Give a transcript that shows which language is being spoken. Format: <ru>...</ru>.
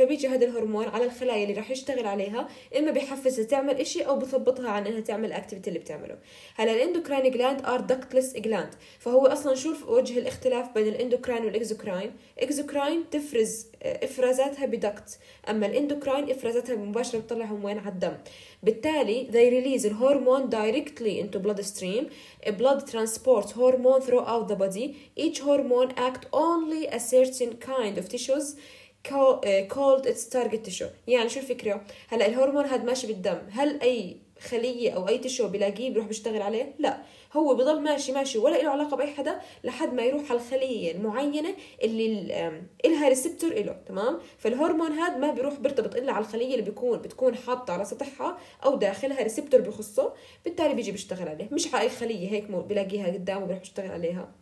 <ar>فبيجي هذا الهرمون على الخلايا اللي راح يشتغل عليها، إما بيحفزها تعمل إشي أو بثبطها عن إنها تعمل activity اللي بتعمله. هلا الإندوكراين</ar> <en>gland are ductless gland،</en> <ar>فهو أصلاً شوف وجه الاختلاف بين الإندوكراين والإكزوكراين. إكزوكراين تفرز إفرازاتها بدكت، أما الإندوكراين إفرازاتها مباشرة بتطلعهم وين؟ على الدم.</ar> <en>بالتالي they release the hormone directly into bloodstream. A blood transports hormone throughout the body. Each hormone act only a certain kind of tissues called its target tissue.</en> <ar>يعني شو الفكرة؟ هلا الهرمون هاد ماشي بالدم، هل أي خلية أو أي تشو بلاقيه بروح بيشتغل عليه؟ لا، هو بضل ماشي ماشي ولا إله علاقة بأي حدا لحد ما يروح على الخلية المعينة اللي إلها ريسبتور إله. تمام؟ فالهرمون هاد ما بيروح بيرتبط إلا على الخلية اللي بتكون حاطة على سطحها أو داخلها ريسبتور بخصه، بالتالي بيجي بيشتغل عليه، مش على أي خلية هيك بلاقيها قدامه بروح بيشتغل عليها.</ar>